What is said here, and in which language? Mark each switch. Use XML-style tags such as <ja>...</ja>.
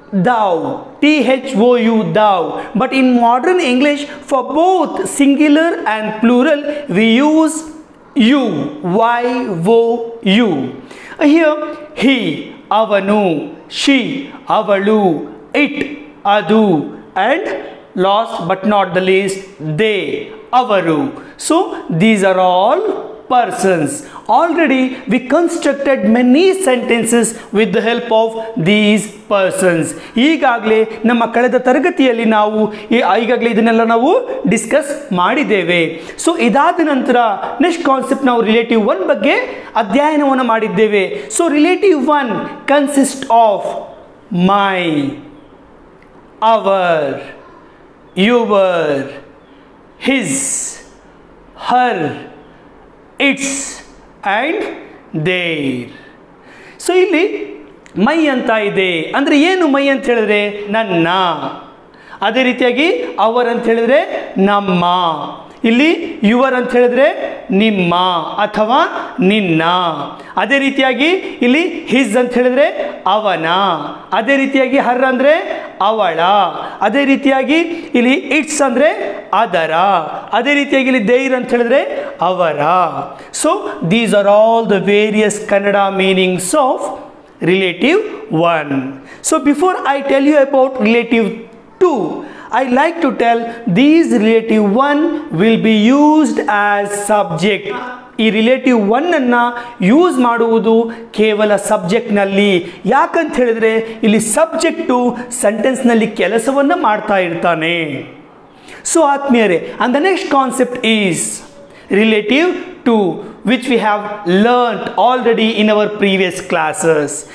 <en>Thou T H O U thou but in modern English for both singular and plural we use you Y O U Here, he, avanu, she, avalu, it, adu, and last but not the least, they, avaru. So, these are all persons. Already, we constructed many sentences with the help of these persons.</en> <kn>ಈಗಾಗಲೇ ನಮ್ಮ ಕಳೆದ ತರಗತಿಯಲ್ಲಿ ನಾವು ಈಗಾಗಲೇ ಇದನ್ನೆಲ್ಲ ನಾವು discuss ಮಾಡಿದ್ದೇವೆ. So ಇದಾದ ನಂತರ</kn> <en>next concept</en> <kn>ನಾವು ರಿಲೇಟಿವ್ ಒನ್ ಬಗ್ಗೆ ಅಧ್ಯಯನವನ್ನು ಮಾಡಿದ್ದೇವೆ.</kn> <en>So relative one consist of my, our, your, his, her, its and their.</en> <kn>So ಇಲ್ಲಿ ಮೈ ಅಂತ ಇದೆ ಅಂದರೆ ಏನು ಮೈ ಅಂತ ಹೇಳಿದ್ರೆ ನನ್ನ, ಅದೇ ರೀತಿಯಾಗಿ ಅವರ್ ಅಂತ ಹೇಳಿದ್ರೆ ನಮ್ಮ, ಇಲ್ಲಿ ಯುವರ್ ಅಂತ ಹೇಳಿದ್ರೆ ನಿಮ್ಮ ಅಥವಾ ನಿನ್ನ, ಅದೇ ರೀತಿಯಾಗಿ ಇಲ್ಲಿ ಹಿಸ್ ಅಂತ ಹೇಳಿದ್ರೆ ಅವನ, ಅದೇ ರೀತಿಯಾಗಿ ಹರ್ ಅಂದರೆ ಅವಳ, ಅದೇ ರೀತಿಯಾಗಿ ಇಲ್ಲಿ ಇಟ್ಸ್ ಅಂದರೆ ಅದರ, ಅದೇ ರೀತಿಯಾಗಿ ಇಲ್ಲಿ ದೇರ್ ಅಂತ ಹೇಳಿದ್ರೆ ಅವರ.</kn> <en>So these are all the various Kannada meanings of relative one. So before I tell you about relative two, I like to tell these relative one will be used as subject.</en> <kn>ಈ relative ಒನ್ನನ್ನು use ಮಾಡುವುದು ಕೇವಲ ಸಬ್ಜೆಕ್ಟ್ನಲ್ಲಿ. ಯಾಕಂತ ಹೇಳಿದ್ರೆ ಇಲ್ಲಿ subject ಸೆಂಟೆನ್ಸ್ನಲ್ಲಿ ಕೆಲಸವನ್ನು ಮಾಡ್ತಾ ಇರ್ತಾನೆ.</kn> <en>So ಆತ್ಮೀಯರೇ, and the next concept is relative two, which we have learned already in our previous classes.</en>